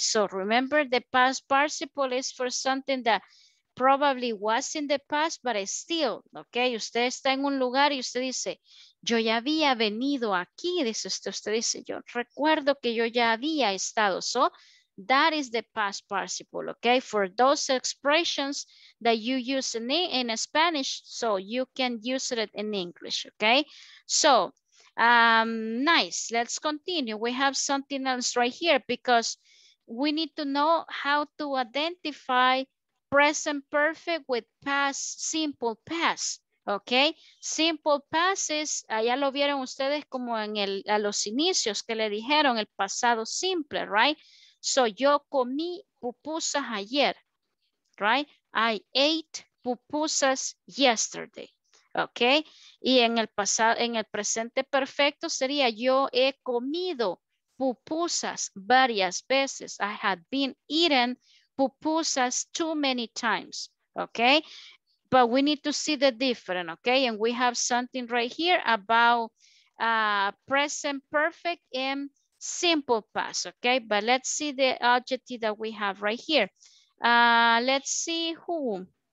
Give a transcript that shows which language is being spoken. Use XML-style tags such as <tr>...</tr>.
<en>So remember, the past participle is for something that probably was in the past, but still, okay?</en> <es>Usted está en un lugar y usted dice, yo ya había venido aquí, dice usted. Usted dice, yo recuerdo que yo ya había estado.</es> <en>So, that is the past participle, okay? For those expressions that you use in Spanish, so you can use it in English, okay? So, nice, let's continue. We have something else right here because we need to know how to identify present perfect with past, simple past, okay? Simple past is,</en> <es>allá lo vieron ustedes como en el, a los inicios que le dijeron, el pasado simple, right?</es> <en>So,</en> <es>yo comí pupusas ayer,</es> <en>right? I ate pupusas yesterday, okay?</en> <es>Y en el pasado, en el presente perfecto sería, yo he comido pupusas varias veces.</es> <en>I had been eaten pupusas too many times, okay? But we need to see the difference, okay? And we have something right here about present perfect and simple past, okay? But let's see the adjective that we have right here. Let's see who.</en>